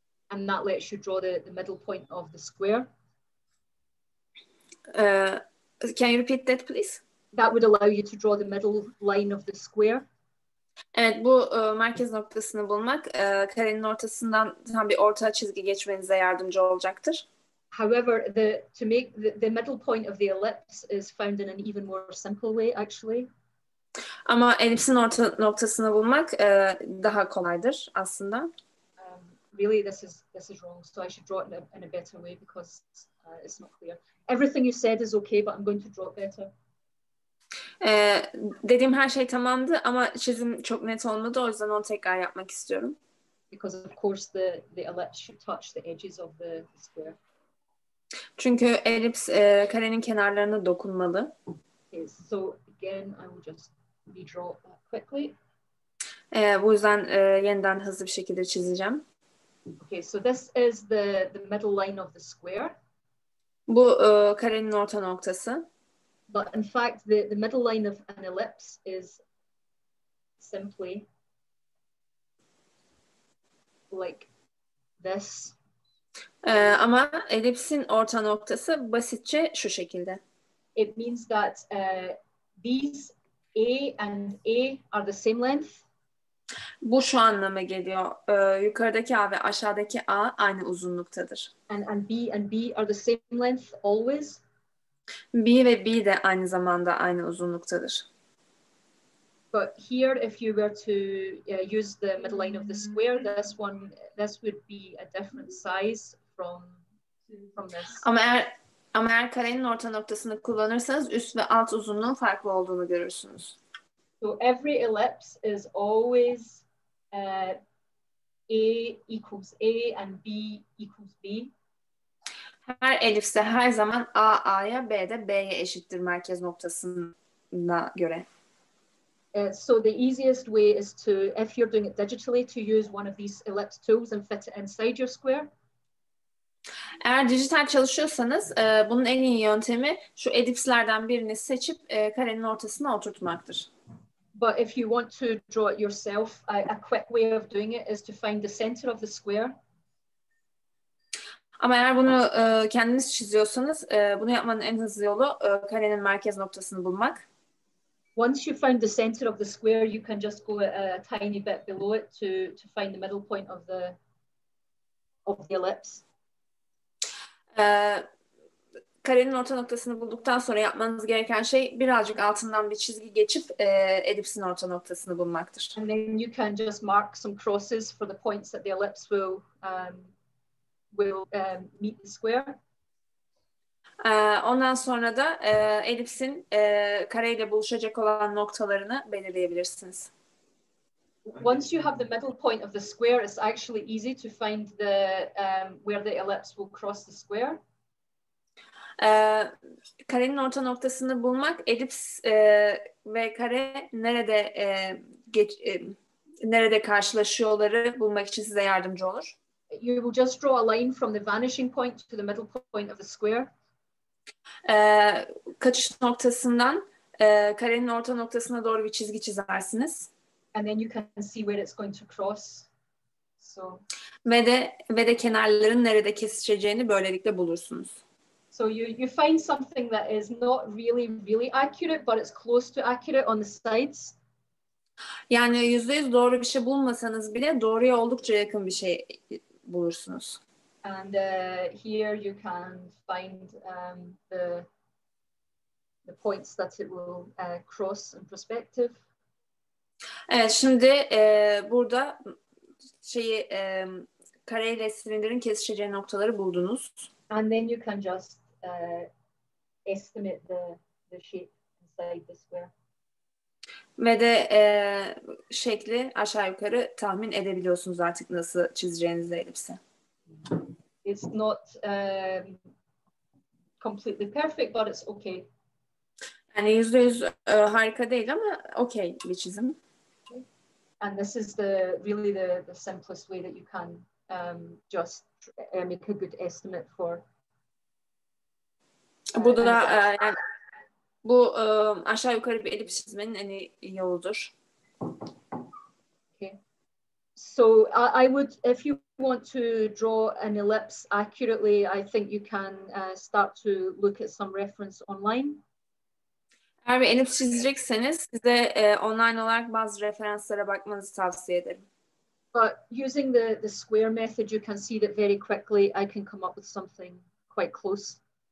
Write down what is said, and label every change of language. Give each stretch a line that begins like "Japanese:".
English: And that lets you draw the middle point of the square. Can you repeat that, please? That would allow you to draw the middle line of the square.
Turkish: Evet, bu merkez noktasını bulmak karenin ortasından tam bir orta çizgi geçmenize yardımcı olacaktır.
English: However, to make the middle point of the ellipse is found in an even more simple way, actually.
Turkish: Ama elipsin orta noktasını bulmak daha kolaydır aslında.
English: Really, this is wrong. So I should draw it in a better way because it's not clear. Everything you said is okay, but I'm going to draw it better.
Turkish: Dediğim her şey tamamdı ama çizim çok net olmadı, o yüzden onu tekrar yapmak istiyorum.
English: Because of course the ellipse should touch the edges of the square.
Turkish: Çünkü elips karenin kenarlarına dokunmalı.
English: Okay, so again, I will just redraw that quickly.
Turkish: Bu yüzden yeniden hızlı bir şekilde çizeceğim.
English: Okay, so this is the middle line of the square.
Turkish: Bu karenin orta noktası.
English: But in fact, the middle line of an ellipse is simply like this.
Turkish: Ama elipsin orta noktası basitçe şu şekilde.
English: It means that these A and A are the same length.
Turkish: Bu şu anlama geliyor. Yukarıdaki A ve aşağıdaki A aynı uzunluktadır.
English: And B are the same length always.
Turkish: B ve B de aynı zamanda aynı uzunluktadır.
English: But here if you were to use the middle line of the square, this would be a different size from this.
Turkish: Ama eğer karenin orta noktasını kullanırsanız üst ve alt uzunluğun farklı olduğunu görürsünüz.
English: So every ellipse is always A equals A and B equals B.
Turkish: Her elipse her zaman A A'ya, B de B'ye eşittir merkez noktasına göre.
English: So the easiest way is to, if you're doing it digitally, to use one of these ellipse tools and fit it inside your square.
Turkish: Eğer dijital çalışıyorsanız bunun en iyi yöntemi şu ellipslerden birini seçip karenin ortasına oturtmaktır.
English: But if you want to draw it yourself, a quick way of doing it is to find the center of the square.
Turkish: Ama eğer bunu kendiniz çiziyorsanız bunu yapmanın en hızlı yolu karenin merkez noktasını bulmak.
English: Once you find the center of the square, you can just go a tiny bit below it to find the middle point of the ellipse.
Turkish: Karenin orta noktasını bulduktan sonra yapmanız gereken şey birazcık altından bir çizgi geçip elipsin orta noktasını bulmaktır.
English: And then you can just mark some crosses for the points that the ellipse will meet the square.
Turkish: Ondan sonra da elipsin kareyle buluşacak olan noktalarını belirleyebilirsiniz.
English: Once you have the middle point of the square, it's actually easy to find the where the ellipse will cross the square.
Turkish: Karenin orta noktasını bulmak, elips ve kare nerede nerede karşılaşıyorları bulmak için size yardımcı olur.
English: You will just draw a line from the vanishing point to the middle point of the square.
Turkish: Kaçış noktasından karenin orta noktasına doğru bir çizgi çizersiniz.
English: And then you can see where it's going to cross. So.
Turkish: Ve de kenarların nerede kesişeceğini böylelikle bulursunuz.
English: So you find something that is not really really accurate, but it's close to accurate on the sides.
Turkish: Yani %100 doğru bir şey bulmasanız bile doğruya oldukça yakın bir şey bulursunuz.
English: And here you can find the points that it will cross in perspective.
Turkish: Evet, şimdi burada şeyi kareyle silindirin kesişeceği noktaları buldunuz.
English: And then you can just estimate the shape inside the square.
Turkish: Ve de şekli aşağı yukarı tahmin edebiliyorsunuz artık nasıl çizeceğiniz elipsi.
English: It's not completely perfect, but it's okay.
Turkish: Yani %100 harika değil ama okay bir çizim.
English: And this is the really the simplest way that you can just make a good estimate for.
Turkish: Bu da yani bu aşağı yukarı bir elips çizmenin en iyi yoludur.
English: Okay. So I would, if you want to draw an ellipse accurately, I think you can start to look at some reference online.
Turkish: Eğer bir elips çizecekseniz size online olarak bazı referanslara bakmanızı tavsiye ederim.
English: But using the square method, you can see that very quickly I can come up with something quite close.